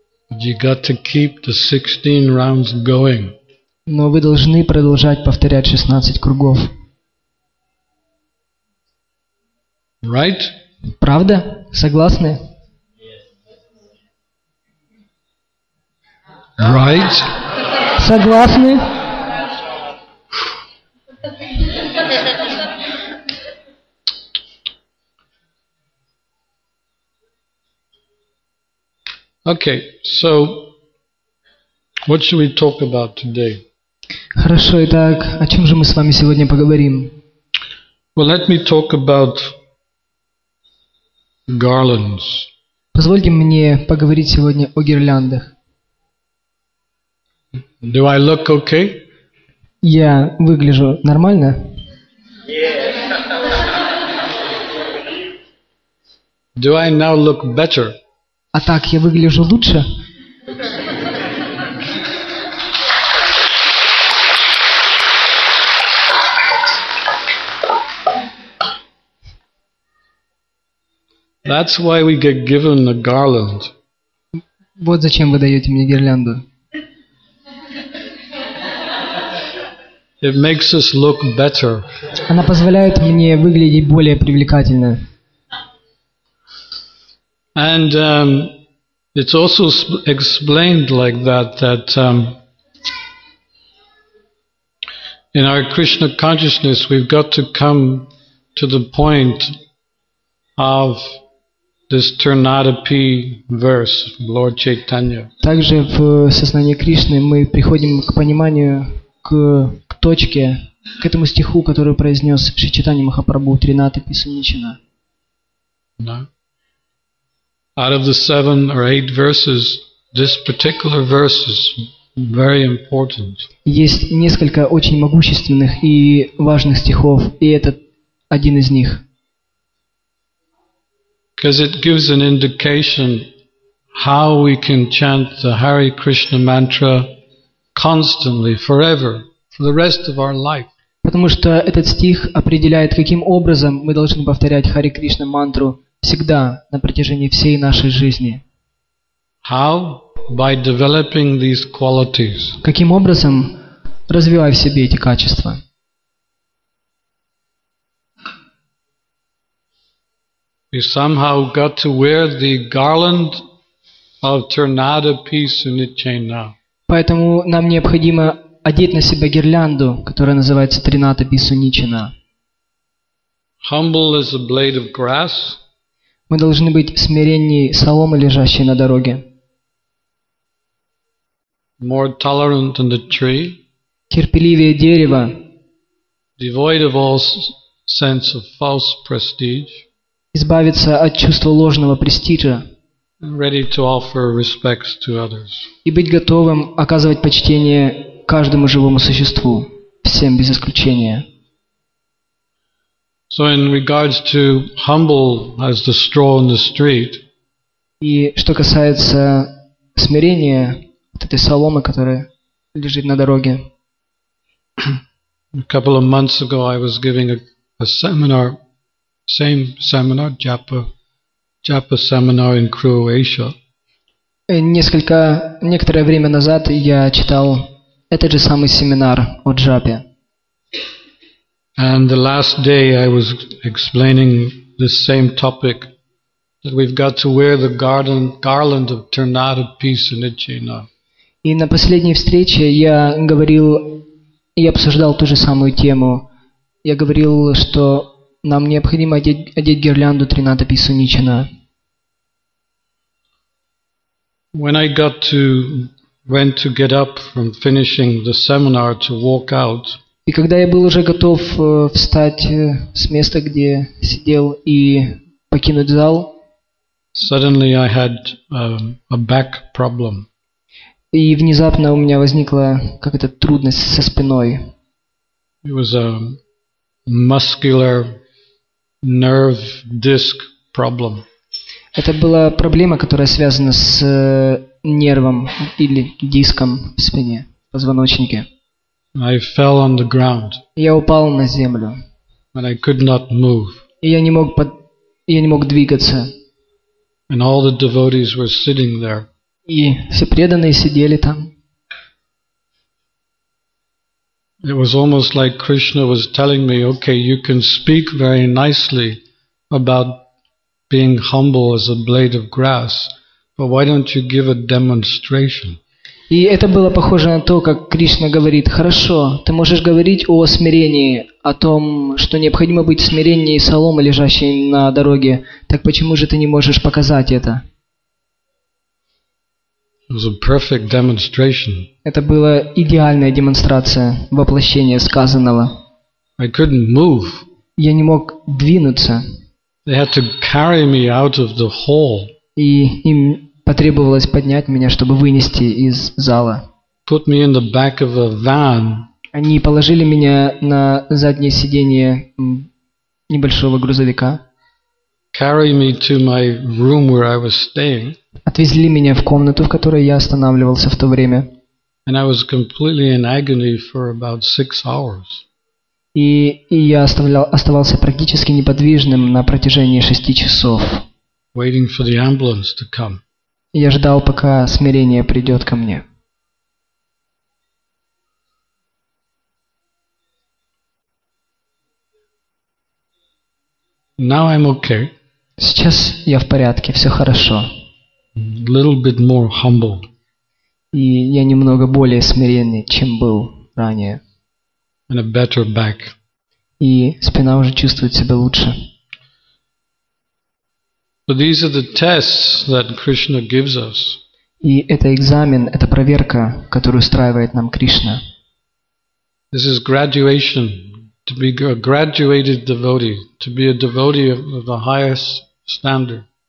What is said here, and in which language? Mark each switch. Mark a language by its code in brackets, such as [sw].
[en] You got to keep the 16 rounds going. [ru] Но вы должны продолжать повторять 16 кругов. [en] Right? [ru] Правда? Согласны? [en] Right? [ru] Согласны? [en] Okay, so what should we talk about today? [ru] Хорошо, итак, о чем же мы с вами сегодня поговорим? [en] Well, let me talk about garlands. [ru] Позвольте мне поговорить сегодня о гирляндах. [en] Do I look okay? [ru] Я выгляжу нормально? [en] Yeah. Do I now look better? [ru] А так я выгляжу лучше? [en] That's why we get given a garland. [ru] Вот зачем вы даете мне гирлянду. [en] It makes us look better. [ru] Она позволяет мне выглядеть более привлекательно. [en] And it's also explained like that in our Krishna consciousness we've got to come to the point of this Tirunadapi verse from Lord Chaitanya. [ru] Также в сознании Кришны мы приходим к пониманию к точке, к этому стиху, который произнес Шри Чайтанья Махапрабху, Тринадапи Сунничана. Да. [en] Out of the 7 or 8 verses, this particular verse is very important. [ru] Есть несколько очень могущественных и важных стихов, и этот один из них. [en] Because it gives an indication how we can chant the Hare Krishna mantra constantly, forever, for the rest of our life. [ru] Потому что этот стих определяет, каким образом мы должны повторять Hare Krishna мантру всегда, на протяжении всей нашей жизни. [en] How? By developing these qualities. [ru] Каким образом? Развивая в себе эти качества. [en] We somehow got to wear the garland of Tirunadapi Sunnichana. [ru] Поэтому нам необходимо одеть на себя гирлянду, которая называется Тринадапи Сунничана. [en] Humble as a blade of grass. [ru] Мы должны быть смиреннее соломы, лежащей на дороге. [en] More tolerant than the tree. [ru] Терпеливее дерева. [en] Devoid of all sense of false prestige. [ru] Избавиться от чувства ложного престижа. [en] And ready to offer respects to others. [ru] И быть готовым оказывать почтение каждому живому существу, всем без исключения. [en] So in regards to humble as the straw in the street. [ru] И что касается смирения, вот этой соломы, которая лежит на дороге. [en] A couple of months ago I was giving a seminar, same seminar, Japa seminar in Croatia. [ru] Некоторое время назад я читал этот же самый семинар о Джапе. [en] And the last day I was explaining the same topic that we've got to wear the garland of Tirunadapi Sunnichana. [ru] И на последней встрече я говорил и обсуждал ту же самую тему. Я говорил, что нам необходимо одеть гирлянду Тринадапи Сунничана. [en] When I went to get up from finishing the seminar to walk out. [ru] И когда я был уже готов встать с места, где сидел, и покинуть зал, [en] suddenly I had a back problem. [ru] И внезапно у меня возникла какая-то трудность со спиной. [en] It was a muscular nerve disc problem. [ru] Это была проблема, которая связана с нервом или диском в спине, в позвоночнике. [en] I fell on the ground. [ru] Я упал на землю. [en] And I could not move. [ru] И я не мог двигаться. [en] And all the devotees were sitting there. [ru] И все преданные сидели там. [en] It was almost like Krishna was telling me, okay, you can speak very nicely about being humble as a blade of grass, but why don't you give a demonstration? [ru] И это было похоже на то, как Кришна говорит: хорошо, ты можешь говорить о смирении, о том, что необходимо быть смиреннее соломы, лежащей на дороге, так почему же ты не можешь показать это? [en] It was a perfect demonstration. [ru] Это была идеальная демонстрация воплощения сказанного. [en] I couldn't move. [ru] Я не мог двинуться. [en] They had to carry me out of the hall. [ru] И им потребовалось поднять меня, чтобы вынести из зала. [en] Put me in the back of a van. [ru] Они положили меня на заднее сиденье небольшого грузовика. [en] Carry me to my room where I was staying. [ru] Отвезли меня в комнату, в которой я останавливался в то время. [en] And I was completely in agony for about 6 hours. [ru] И я оставался практически неподвижным на протяжении 6 часов. [en] Waiting for the ambulance to come. [ru] Я ждал, пока смирение придет ко мне. [en] Now I'm okay. [ru] Сейчас я в порядке, все хорошо. [en] A little bit more humble. [ru] И я немного более смиренный, чем был ранее. [en] And a better back. [ru] И спина уже чувствует себя лучше. [en] But these are the tests that Krishna gives us. [ru] И это экзамен, это проверка, которую устраивает нам Кришна. [en] This is graduation, to be a graduated devotee, to be a devotee of the highest standard.